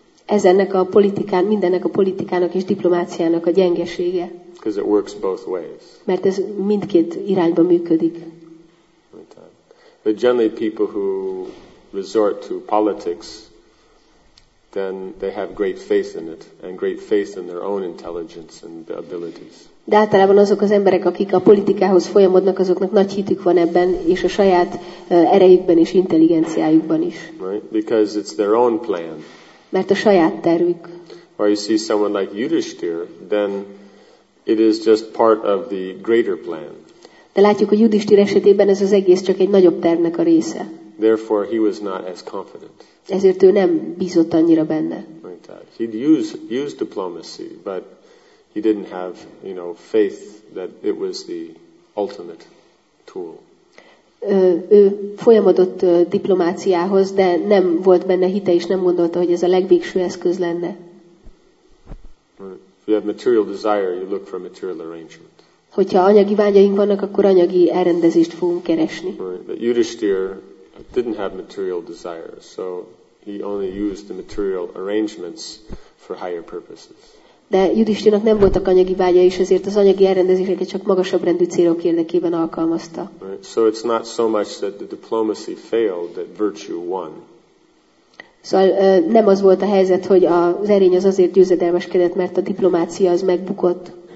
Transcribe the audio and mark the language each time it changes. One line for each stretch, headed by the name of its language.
Hungarian: Ez ennek a politikán, mindennek a politikának és diplomáciának a gyengesége.
English: Because it works both ways.
Hungarian: Mert ez mindkét irányba működik.
English: But generally people who resort to politics, then they have great faith in it, and great faith in their own intelligence and abilities.
Hungarian: De általában azok az emberek, akik a politikához folyamodnak, azoknak nagy hitük van ebben, és a saját erejükben és intelligenciájukban is.
English: Right? Because it's their own plan.
Hungarian: Mert a saját tervük.
English: Or you see someone like Yudhishthir, then it is just part of the greater plan.
Hungarian: De látjuk, hogy Yudhishthir esetében ez az egész csak egy nagyobb tervnek a része.
English: Therefore he was not as confident.
Hungarian: Ezért ő nem bízott annyira benne.
English: He'd use diplomacy, but he didn't have, you know, faith that it was the ultimate tool.
Hungarian: Ő folyamodott diplomáciához, de nem volt benne hite, és nem gondolta, hogy ez a legvégső eszköz lenne.
English: If you have material desire, you look for a material arrangement.
Hungarian: Hogyha anyagi vágyaink vannak, akkor anyagi elrendezést fogunk keresni.
English: But Yudhishthir didn't have material desire, so he only used the material arrangements for higher purposes.
Hungarian: De Yudhishthirnak nem voltak anyagi vágyai, és ezért az anyagi elrendezéseket csak magasabb rendű célok érdekében alkalmazta.
English: So it's not so much that the diplomacy failed, that virtue won.
Hungarian: Szóval nem az volt a helyzet, hogy az erény az azért győzedelmeskedett, mert a diplomácia az megbukott.